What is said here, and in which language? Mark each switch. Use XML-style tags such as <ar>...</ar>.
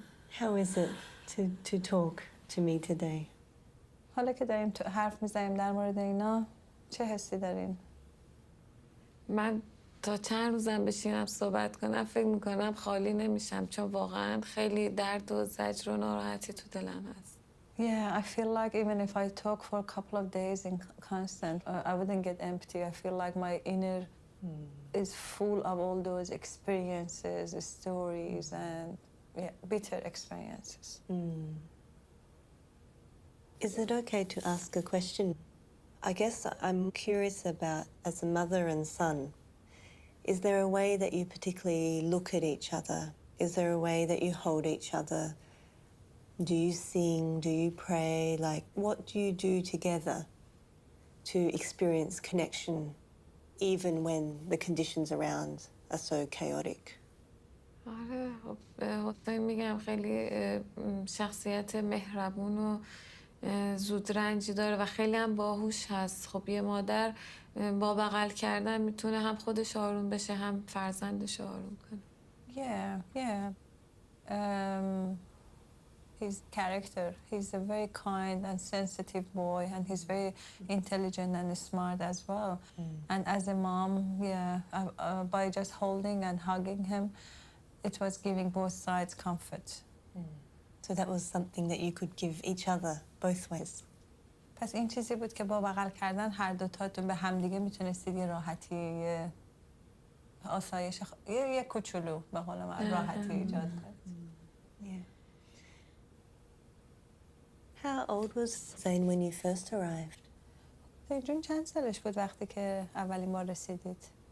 <en>How is it to talk to me today?</en> <fa>حالا که داریم تو حرف میزنیم در مورد اینا چه حسی دارین؟ من تا چند روزم بشینم صحبت کنم فکر میکنم خالی نمیشم چون واقعا خیلی درد و زجر و ناراحتی تو دلم هست.</fa> <en>Yeah, I feel like even if I talk for a couple of days in constant, I wouldn't get empty. I feel like my inner is full of all those experiences, stories, and bitter experiences. Is it okay to ask a question? I guess I'm curious about, as a mother and son, is there a way that you particularly look at each other? Is there a way that you hold each other? Do you sing? Do you pray? Like, what do you do together to experience connection, even when the conditions around are so chaotic?</en> <fa>آره، حتما میگم خیلی شخصیت مهربون و زودرنجی داره و خیلی هم باهوش هست. خب یه مادر با بغل کردن میتونه هم خودش آروم بشه هم فرزندش آروم کنه.</fa> <en>His character. He's a very kind and sensitive boy, and he's very intelligent and smart as well. And as a mom, by just holding and hugging him, it was giving both sides comfort. So that was something that you could give each other both ways.</en> <fa>پس این چیزی بود که با بغل کردن هر دو تاتون به هم دیگه میتونستید یه راحتی آسایش یه کوچولو به قول ما راحتی ایجاد کنید.</fa> <en>How old was Zane when you first arrived?</en> <fa>Zane, چند سالش بود وقتی که اولین بار رسیدید؟</fa>